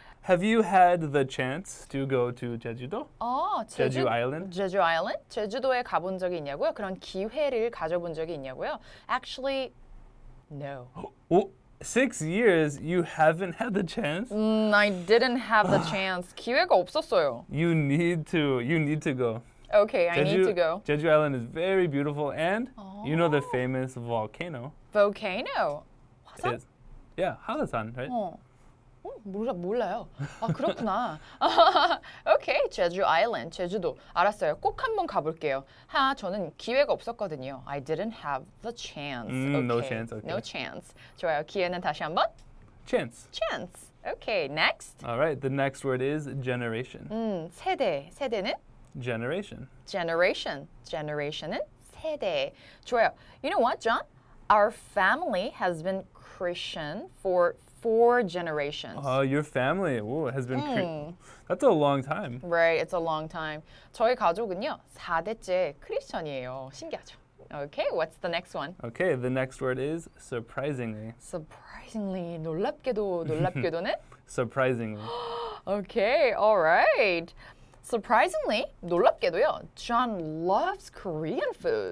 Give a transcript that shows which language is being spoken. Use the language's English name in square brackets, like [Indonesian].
[English] Have you had the chance to go to Jeju-do? 어, 제주 Island? Jeju Island? [Korean] 제주도에 가본 적이 있냐고요? 그런 기회를 가져본 적이 있냐고요? [English] Actually, no. Oh, 6 years, you haven't had the chance? I didn't have the chance. [Korean] 기회가 없었어요. [English] You need to go. Okay, Jeju, I need to go. Jeju Island is very beautiful, and you know the famous volcano. Volcano? 화산? It's, yeah, 화산, right? [Korean] 몰라요. 아, 그렇구나. 오케이, 제주 아일랜드, 제주도. 알았어요. 꼭 한번 가볼게요. 하, 저는 기회가 없었거든요. [English] I didn't have the chance. Okay. No chance. Okay. No chance. [Korean] 좋아요. 기회는 다시 한번? [English] Chance. Chance. Okay, next. All right, the next word is generation. [Korean] 세대. 세대는? [English] Generation. Generation. Generation은 세대. [Korean] 좋아요. [English] You know what, John? Our family has been Christian for 4 generations. Your family has been that's a long time. Right, it's a long time. [Korean] 저희 가족은요, 4대째 크리스천이에요. 신기하죠? [English] Okay, what's the next one? Okay, the next word is surprisingly. Surprisingly, 놀랍게도는? Surprisingly. Okay, all right. Surprisingly, 놀랍게도요, John loves Korean food.